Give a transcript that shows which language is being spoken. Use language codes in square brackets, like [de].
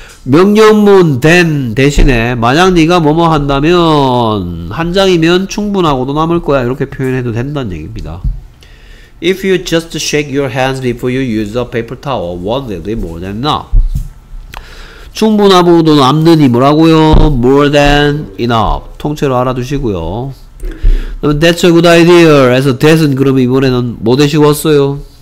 [ko] 명령문 then 대신에 만약 네가 뭐뭐 한다면 한 장이면 충분하고도 남을 거야 이렇게 표현해도 된다는 얘기입니다. [en] If you just shake your hands before you use a paper towel, one will be more than enough. [ko] 충분하고도 남는 이 뭐라고요? [en] More than enough. [ko] 통째로 알아두시고요. 그러면 [en] that's a good idea. [ko] 그래서 that은 그럼 이번에는 뭐 대시고 왔어요?